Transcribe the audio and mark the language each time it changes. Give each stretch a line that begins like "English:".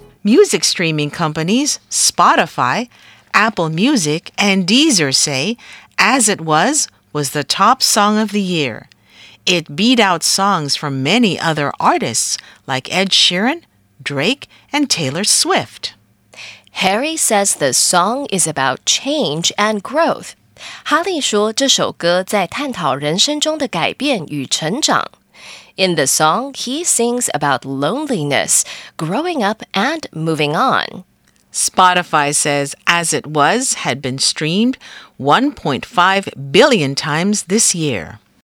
English: Music streaming companies Spotify, Apple Music, and Deezer say As It was the top song of the year. It beat out songs from many other artists like Ed Sheeran, Drake, and Taylor Swift. Harry says the song is about change and growth.
Chinese: 哈利说这首歌在探讨人生中的改变与成长。
English: In the song, he sings about loneliness, growing up, and moving on. Spotify says As It Was had been streamed 1.5 billion times this year.